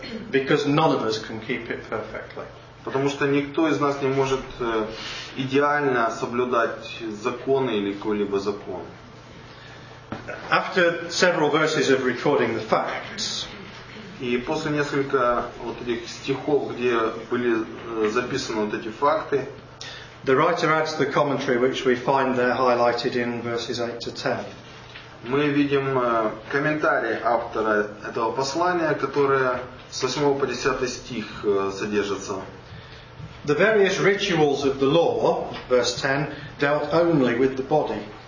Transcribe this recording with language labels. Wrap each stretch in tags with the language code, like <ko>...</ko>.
<en>Because none of us can keep it perfectly.</en> <ru>Потому что никто из нас не может идеально соблюдать законы или какой-либо закон.</ru> <en>After several verses of recording the facts,</en> <ru>и после нескольких вот этих стихов, где были записаны вот эти факты,</ru> <en>the writer adds the commentary which we find there highlighted in verses 8 to 10.</en> <ru>Мы видим комментарий автора этого послания, которое с 8 по 10 стих содержится.</ru> <en>The various rituals of the law, verse 10, dealt only with the body.</en>